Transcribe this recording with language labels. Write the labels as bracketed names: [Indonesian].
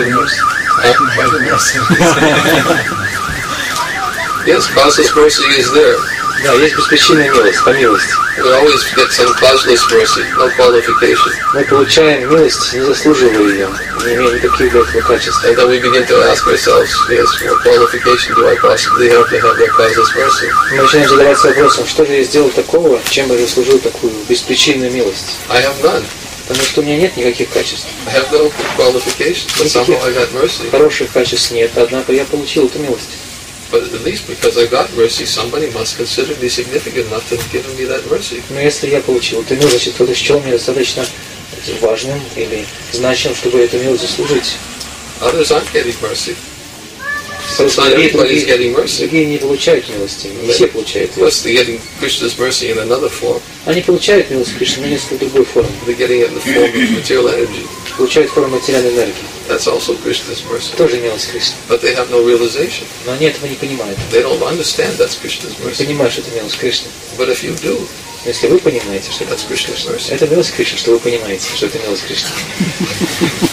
[English] the mercy. Yes, causeless mercy is there. [Russian] Да, есть беспричинная милость, по милости. [English] We always get some causeless mercy, no qualification. [Russian] Мы получаем милость, не заслуживая ее, не имея никаких этого качеств. [English] And then we begin to ask ourselves, yes, what qualification do I possibly have to have that causeless mercy? [Russian] Мы начинаем задаваться вопросом, что же я сделал такого, чем я заслужил такую беспричинную милость? [English] I have none. [Russian] Потому что у меня нет никаких качеств. [English] I have no qualification, but somehow I got mercy. [Russian] Хороших качеств нет, однако я получил эту милость. [English] But at least because I got mercy, somebody must consider me significant enough to have given me that mercy. [Russian] Но если я получил эту милость, значит, кто-то счел меня достаточно важным или значимым, чтобы эту милость заслужить. [English] Others aren't getting mercy. Not everybody's getting mercy. [Russian] Другие не получают милости. Не все получают. [English] Of course, they're getting Krishna's mercy in another form. [Russian] Они получают милость Кришны, но несколько другой формы. [English] They're getting it in the form of material energy. [Russian] Получают форму материальной энергии. [English] That's also Krishna's mercy. [Russian] Тоже милость Кришны. [English] But they have no realization. [Russian] Но они этого не понимают. [English] They don't understand that's Krishna's mercy. [Russian] Не понимают, что это милость Кришны. [English] But if you do, [Russian] если вы понимаете, что [English] that's Krishna's mercy. [Russian] Это милость Кришны, что вы понимаете, что это милость Кришны.